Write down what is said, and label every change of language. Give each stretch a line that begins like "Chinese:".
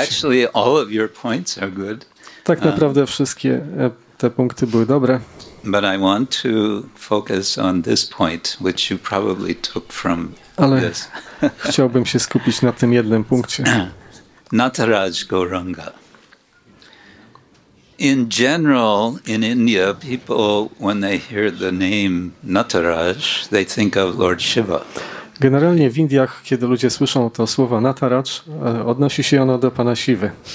English: Actually, all of your points are good.
Polish: Tak naprawdę wszystkie te punkty były dobre.
English: But I want to focus on this point, which you probably took from
Polish: Ale
English: this.
Polish: Chciałbym się skupić na tym jednym punkcie.
English: Nataraj Gauranga. In general, in India, people, when they hear the name Nataraj, they think of Lord Shiva.
Polish: Generalnie w Indiach, kiedy ludzie słyszą to słowo Nataraj, odnosi się ono do Pana Siwy.